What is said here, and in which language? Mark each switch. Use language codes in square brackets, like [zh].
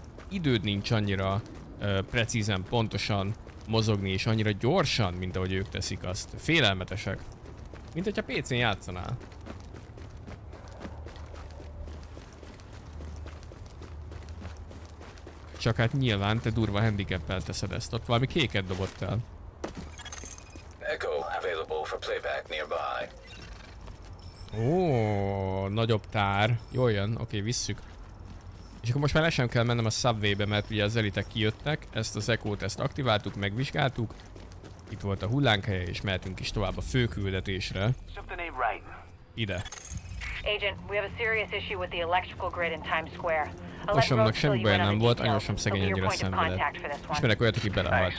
[hu] Időd nincs annyira precízen, pontosan mozogni, és annyira gyorsan, mint ahogy ők teszik azt. Félelmetesek. Mint hogyha PC-n játszanál. Csak hát nyilván te durva handicappel teszed ezt, ott valami kéket dobott el. [en] Echo available for playback nearby. [hu] Ó, nagyobb tár. Jól jön, oké, visszük. És akkor most már le sem kell mennem a Subway-be, mert ugye az elitek kijöttek. Ezt az Echo-t, ezt aktiváltuk, megvizsgáltuk. Itt volt a hullánk helye, és mehetünk is tovább a főküldetésre. Ide. [en] Agent, we have a serious issue with the electrical grid in Times Square. [hu] Osomnak semmi baj nem volt, anyósom szegény ennyire szenvedett. Ismerek olyat, aki belehalt.